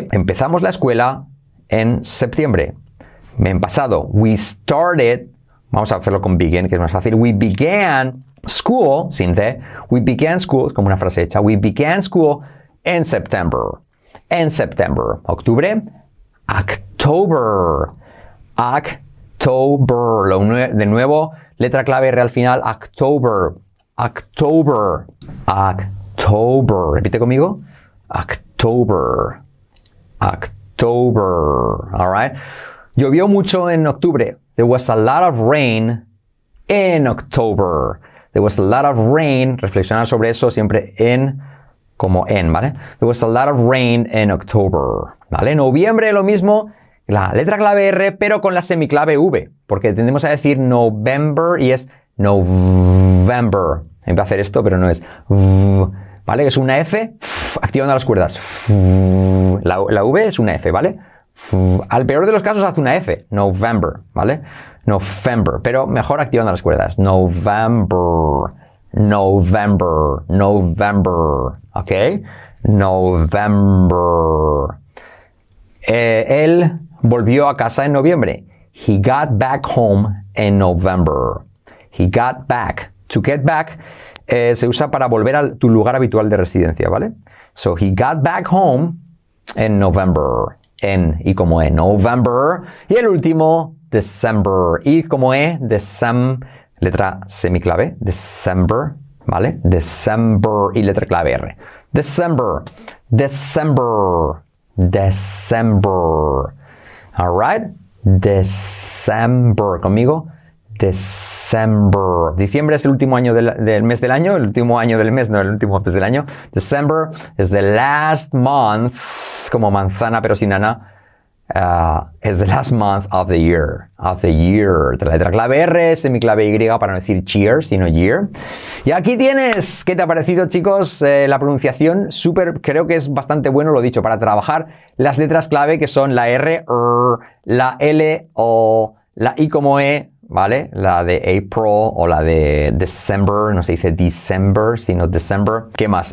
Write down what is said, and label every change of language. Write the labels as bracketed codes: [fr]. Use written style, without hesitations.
[es] Empezamos la escuela en septiembre, en pasado, [en] we started, [es] vamos a hacerlo con begin, que es más fácil, [en] we began school, [es] sin the, we began school, es como una frase hecha, [en] we began school in September, [es] octubre, October, October, de nuevo, letra clave R al final, October, October, [en] October. [es] Repite conmigo. [en] October. October. All right. [es] Llovió mucho en octubre. [en] There was a lot of rain in October. There was a lot of rain. [es] Reflexionar sobre eso siempre en como en, ¿vale? [en] There was a lot of rain in October. [es] ¿Vale? Noviembre, lo mismo. La letra clave R, pero con la semiclave V. Porque tendemos a decir November y es November. Empecé a hacer esto, pero no es. ¿Vale? Es una F activando las cuerdas. La V es una F, ¿vale? Al peor de los casos hace una F. November, ¿vale? November. Pero mejor activando las cuerdas. [en] November. November. November. ¿Ok? November. [es] Él volvió a casa en noviembre. [en] He got back home in November. He got back. To get back [es] se usa para volver a tu lugar habitual de residencia, ¿vale? [en] So, he got back home in November. [es] En y como en November. Y el último, December. Y como en December, letra semiclave, December, ¿vale? December y letra clave R. [en] December, December, December. All right? December, conmigo. December. [es] Diciembre es el último año del mes del año. El último año del mes, no, el último mes del año. [en] December is the last month. [es] Como manzana, pero sin ana. [en] Is the last month of the year. Of the year. [es] De la letra clave R, semiclave Y, para no decir cheer, sino year. Y aquí tienes, ¿qué te ha parecido, chicos? La pronunciación, súper, creo que es bastante bueno, lo dicho, para trabajar las letras clave, que son la R, la L, O, la I como E, ¿vale? La de April o la de December, no se dice December, sino December. ¿Qué más?